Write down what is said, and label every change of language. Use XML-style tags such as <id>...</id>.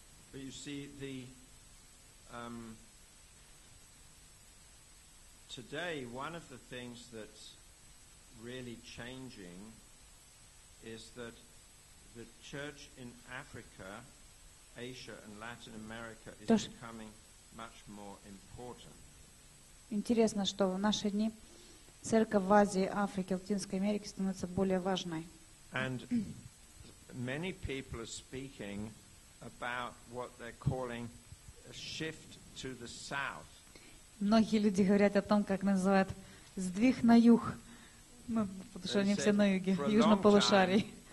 <en>But you see the today, one of the things that's really changing is that the church in Africa, Asia, and Latin America is becoming much more important.</en> <ru>Интересно, что в наши дни Церковь в Азии, Африке, Латинской Америке становится более важной.</ru> <en>And many people are speaking about what they're calling a shift to the south.</en> <ru>Многие люди говорят о том, как называют сдвиг на юг. Ну, потому что они все на юге, в южном полушарии.</ru>